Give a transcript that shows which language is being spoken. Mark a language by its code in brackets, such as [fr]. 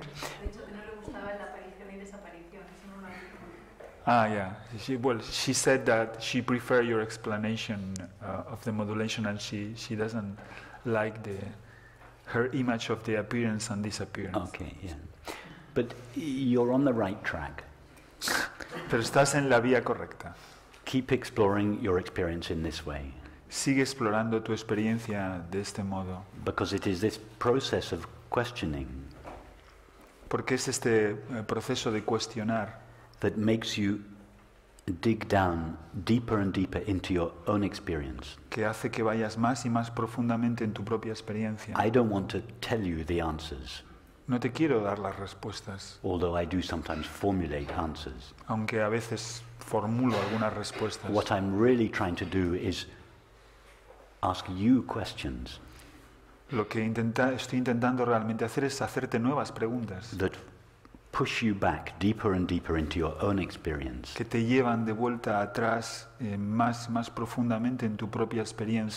[es] De hecho, no le gustaba la aparición y desaparición. [en] Ah, yeah. She said that she preferred your explanation of the modulation, and she doesn't like her image of the appearance and disappearance. Okay, yeah. But you're on the right track. [es] Pero estás en la vía correcta. [en] Keep exploring your experience in this way. [es] Sigue explorando tu experiencia de este modo. [en] Because it is this process of questioning. [es] Porque es este proceso de cuestionar. [en] That makes you dig down deeper and deeper into your own experience. [es] Que hace que vayas más y más profundamente en tu propia experiencia. [en] I don't want to tell you the answers. [es] No te quiero dar las respuestas. [en] Although I do sometimes formulate answers. [es] Aunque a veces formulo algunas respuestas. [en] What I'm really trying to do is ask you questions. [es] Lo que estoy intentando realmente hacer es hacerte nuevas preguntas. [en] That push you back deeper and deeper into your own experience. [es] Que te llevan de vuelta atrás más profundamente en tu propia experiencia.